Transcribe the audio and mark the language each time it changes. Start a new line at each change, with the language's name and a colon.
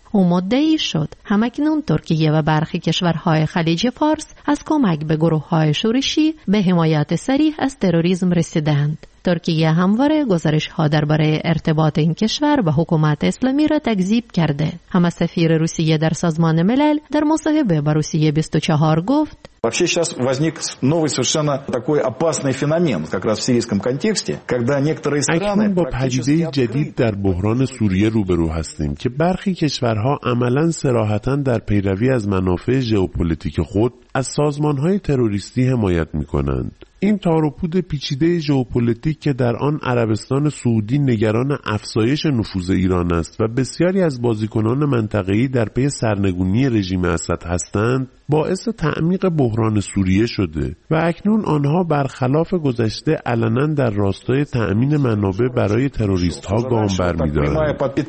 Persian: او مدعی شد همکنون ترکیه و برخی کشورهای خلیج فارس از کمک به گروه‌های شورشی به حمایت صریح از تروریسم رسیدند. ترکیه همواره گزارش‌ها درباره ارتباط این کشور با حکومت اسلامی را تکذیب کرده. هم سفیر روسیه در سازمان ملل در مصاحبه با روسیه 24 گفت
Russian: вообще сейчас возник новый совершенно такой опасный феномен как раз в сирийском контексте, когда некоторые страны
Persian: اکنون با پدیده جدید در بحران سوریه روبرو هستیم که برخی کشورها عملاً صراحتاً در پیروی از منافع ژئوپلیتیک خود از سازمان‌های تروریستی حمایت می‌کنند. این تار و پود پیچیده ژئوپلیتیک که در آن عربستان سعودی نگران افزایش نفوذ ایران است و بسیاری از بازیکنان منطقه‌ای در پی سرنگونی رژیم اسد هستند، باعث تعمیق بحران سوریه شده و اکنون آنها برخلاف گذشته علناً در راستای تأمین منابع برای تروریست‌ها گام برمی‌دارند.